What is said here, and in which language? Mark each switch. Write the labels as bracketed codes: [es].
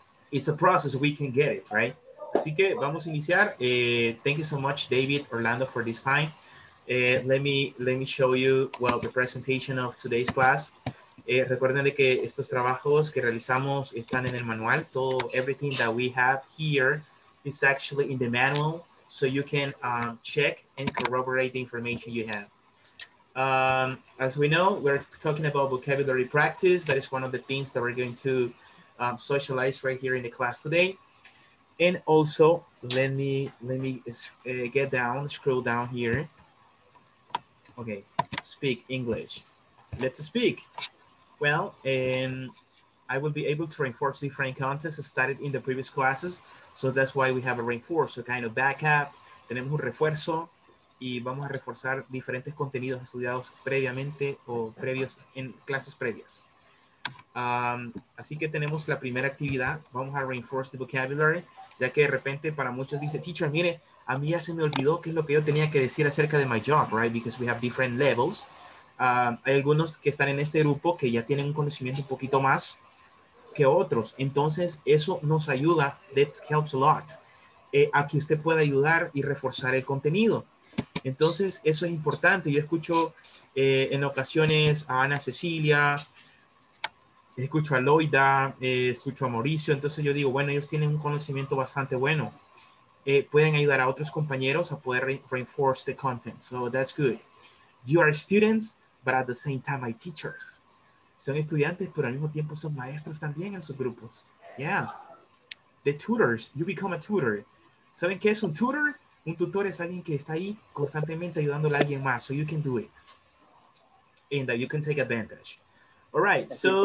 [en] It's a process, we can get it, right? [es] Así que vamos a iniciar. [en] Thank you so much, David, Orlando, for this time. Let me show you, well, the presentation of today's class. [es] Recuerden de que estos trabajos que realizamos están en el manual. Todo, [en] everything that we have here is actually in the manual, so you can check and corroborate the information you have. As we know, we're talking about vocabulary practice. That is one of the things that we're going to socialize right here in the class today. And also, let me scroll down here. Okay, speak English. Let's speak. Well, and I will be able to reinforce different contents studied in the previous classes. So that's why we have a reinforce, a kind of backup. [es] Tenemos un refuerzo y vamos a reforzar diferentes contenidos estudiados previamente o previos en clases previas. Así que tenemos la primera actividad. Vamos a [en] reinforce the vocabulary, [es] ya que de repente para muchos dice, teacher, mire, a mí ya se me olvidó qué es lo que yo tenía que decir acerca de [en] my job, right? Because we have different levels. [es] Hay algunos que están en este grupo que ya tienen un conocimiento un poquito más que otros. Entonces, eso nos ayuda, [en] that helps a lot, [es] a que usted pueda ayudar y reforzar el contenido. Entonces, eso es importante. Yo escucho en ocasiones a Ana Cecilia, escucho a Loida, escucho a Mauricio. Entonces, yo digo, bueno, ellos tienen un conocimiento bastante bueno. Pueden ayudar a otros compañeros a poder [en] reinforce the content. So, that's good. You are students, but at the same time, my teachers. [es] Son estudiantes, pero al mismo tiempo son maestros también en sus grupos. [en] Yeah. The tutors, you become a tutor. [es] ¿Saben qué es un tutor? Un tutor es alguien que está ahí constantemente ayudándole a alguien más. [en] So you can do it. And that you can take advantage. All right, so.